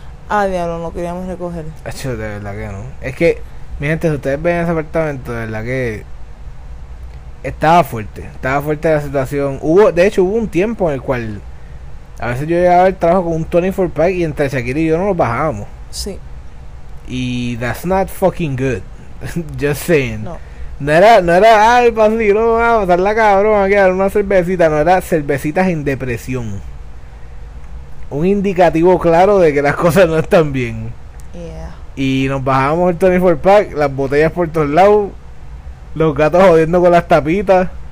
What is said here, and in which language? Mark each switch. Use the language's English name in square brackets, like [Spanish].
[Spanish] Ah, diablo, no queríamos recoger. Hecho, de verdad que no. Es que, mi gente, si ustedes ven ese apartamento, de verdad que estaba fuerte la situación. Hubo, de hecho, hubo un tiempo en el cual a veces yo llegaba al trabajo con un 24 pack y entre Shakira y yo no lo bajábamos. Sí. [English] Y that's not fucking good. Just saying. [Spanish] No. No era vacilón, a pasar la cabrón, a quedar una cervecita, no era cervecitas en depresión. Un indicativo claro de que las cosas no están bien. Y nos bajábamos el 24 pack, las botellas por todos lados, los gatos jodiendo con las tapitas.